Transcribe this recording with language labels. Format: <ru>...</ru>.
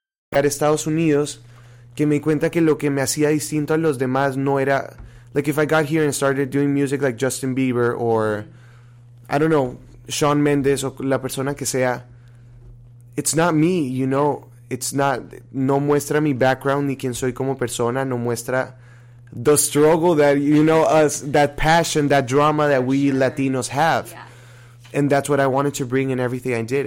<es>Llegar a Estados Unidos, que me di cuenta que lo que me hacía distinto a los demás no era...</es> <en>Like, if I got here and started doing music like Justin Bieber or, I don't know, Shawn Mendes</en> <es>o la persona que sea,</es> <en>it's not me, you know? It's not...</en> <es>No muestra mi background ni quién soy como persona, no muestra...</es> <en>The struggle that, you know, us, that passion, that drama that we Latinos have. Yeah. And that's what I wanted to bring in everything I did.</en>